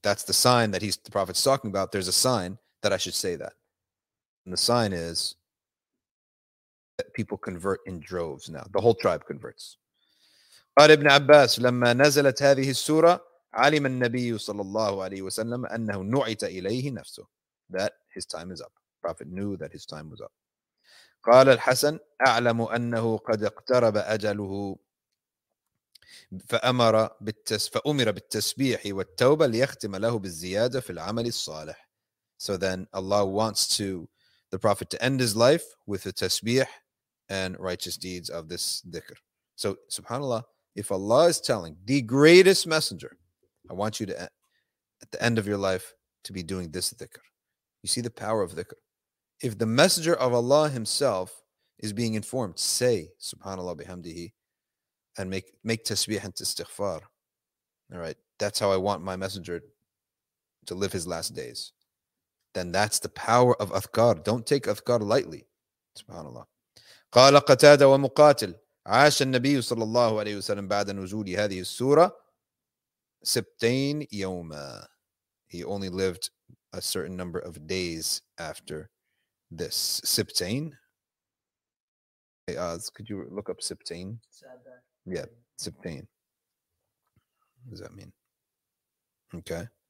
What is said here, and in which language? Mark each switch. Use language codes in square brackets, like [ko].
[en] That's the sign that the Prophet's talking about. There's a sign that I should say that. And the sign is that people convert in droves now. The whole tribe converts. [ar] قال ابن عباس لما نزلت هذه السورة علم النبي صلى الله عليه وسلم أنه نعت إليه نفسه. [en] That his time is up. Prophet knew that his time was up. [ar] قال الحسن أعلم أنه قد اقترب أجله فأمر بالتسبيح والتوبة ليختم له بالزيادة في العمل الصالح. [en] So then Allah wants the Prophet to end his life with the tasbih and righteous deeds of this dhikr. So subhanAllah, if Allah is telling the greatest messenger, I want you to, at the end of your life, to be doing this dhikr. You see the power of dhikr. If the messenger of Allah himself is being informed, say, subhanAllah bihamdihi, and make tasbih and istighfar. All right, that's how I want my messenger to live his last days. Then that's the power of adhkar. Don't take adhkar lightly. SubhanAllah. [ar] قال قتادة ومقاتل عاش النبي صلى الله عليه وسلم بعد نزول هذه السورة سبتين يوما. [en] He only lived a certain number of days after this. سبتين. Hey Oz, could you look up سبتين? Yeah, سبتين. What does that mean? Okay.